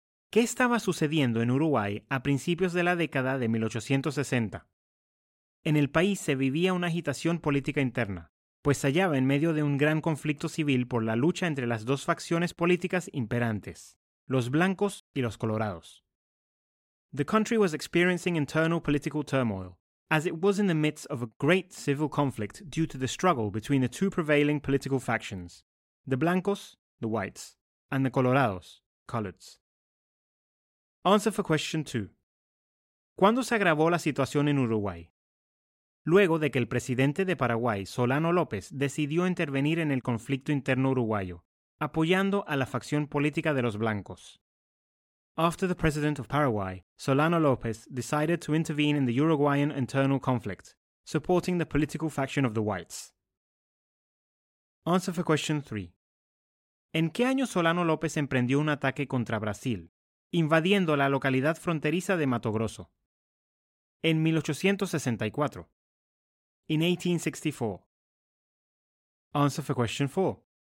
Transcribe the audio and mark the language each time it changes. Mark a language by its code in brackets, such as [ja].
[es] ¿Qué estaba sucediendo en Uruguay a principios de la década de 1860? En el país se vivía una agitación política interna, pues se hallaba en medio de un gran conflicto civil por la lucha entre las dos facciones políticas imperantes, los blancos y los colorados. [en] The country was experiencing internal political turmoil, as it was in the midst of a great civil conflict due to the struggle between the two prevailing political factions, the blancos, the whites, and the colorados, coloreds. Answer for question 2. [es] ¿Cuándo se agravó la situación en Uruguay? Luego de que el presidente de Paraguay, Solano López, decidió intervenir en el conflicto interno uruguayo, apoyando a la facción política de los blancos. [en] After the president of Paraguay, Solano López, decided to intervene in the Uruguayan internal conflict, supporting the political faction of the whites. Answer for question 3. [es] ¿En qué año Solano López emprendió un ataque contra Brasil, invadiendo la localidad fronteriza de Mato Grosso? En 1864. [en] In 1864. Answer for question 4.